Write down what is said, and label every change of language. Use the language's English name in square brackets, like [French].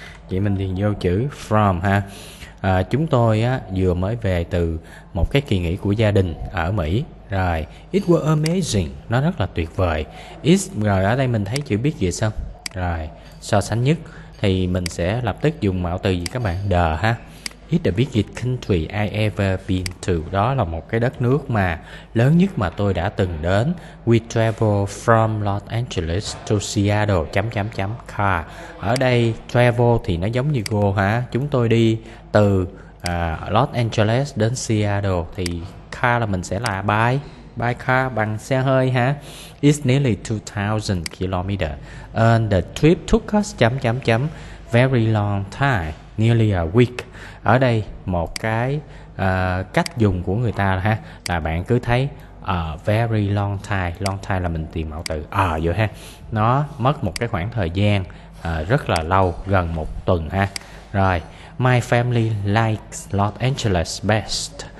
[Vietnamese] Vậy mình điền vô chữ from ha. Chúng tôi vừa mới về từ một cái kỳ nghỉ của gia đình ở Mỹ. Rồi, [English] it was amazing, [Vietnamese] nó rất là tuyệt vời. It, rồi ở đây mình thấy chữ biết gì xong. Rồi, so sánh nhất thì mình sẽ lập tức dùng mạo từ gì các bạn? [English] The ha. It's the biggest country I ever been to. [Vietnamese] Đó là một cái đất nước mà lớn nhất mà tôi đã từng đến. [English] We travel from Los Angeles to Seattle [Vietnamese] chấm chấm chấm [English] car. [Vietnamese] Ở đây travel thì nó giống như go ha. Chúng tôi đi từ Los Angeles đến Seattle thì car là mình sẽ là by. [English] By car [Vietnamese] bằng xe hơi ha. [English] It's nearly 2000 km. And the trip took us [Vietnamese] chấm chấm chấm [English] very long time. Nearly a week. [Vietnamese] Ở đây một cái cách dùng của người ta ha, là bạn cứ thấy [English] very long time. [Vietnamese] Long time là mình tìm mạo từ vậy ha. Nó mất một cái khoảng thời gian rất là lâu, gần một tuần ha. [English] Rồi, my family likes Los Angeles best.